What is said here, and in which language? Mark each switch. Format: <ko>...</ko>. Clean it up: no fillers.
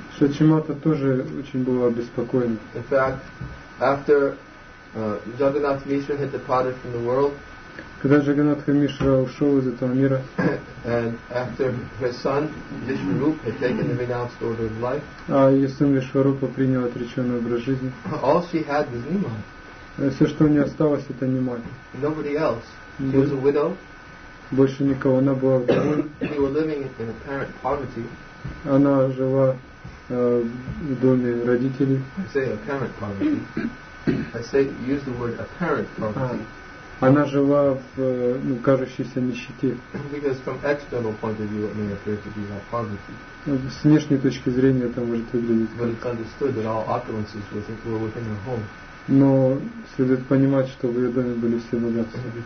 <ru>Сачимата тоже очень была обеспокоена.</ru> <en>In fact, after Jagannath Mishra had departed from the world,</en> <ru>когда Джаганнатха Мишра ушел из этого мира,</ru> <en>and after her son Vishwarupa had taken the renounced order of life,</en> <ru>а ее сын Вишварупа принял отреченный образ жизни,</ru> <en>all she had was Nima.</en> <ru>Все, что у нее осталось, это Нима.</ru> <en>Nobody else. She was a widow.</en> <ru>Больше никого. Она была вдовой.</ru> <en>She was living in apparent poverty.</en> <ru>Она жила в доме родителей.</ru> <en>I say apparent poverty. I say use the word apparent poverty.</en> <ru>Она жила в кажущейся нищете.</ru> <en>Because from external point of view, it may appear to be not poverty.</en> <ru>С внешней точки зрения это может выглядеть.</ru> <en>But it's understood that all opulences were within her home.</en> <ru>Но следует понимать, что в ее доме были все богатства.</ru>